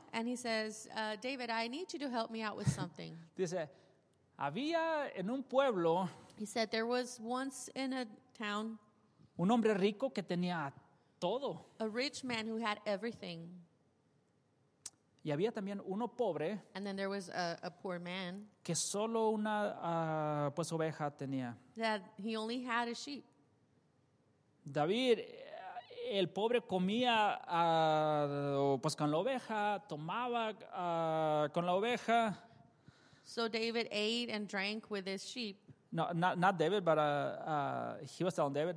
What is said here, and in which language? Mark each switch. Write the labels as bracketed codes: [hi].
[en] And he says, David, I need you to help me out with something. [es] Dice, había en un pueblo. [en] He said, there was once in a town. [es] Un hombre rico que tenía todo. [en] A rich man who had everything. [es] Y había también uno pobre. [en] And then there was a poor man. [es] Que solo una pues oveja tenía. [en] That he only had a sheep. [es] David, el pobre comía pues con la oveja, tomaba con la oveja. [en] So David ate and drank with his sheep. No, not David, but he was telling David.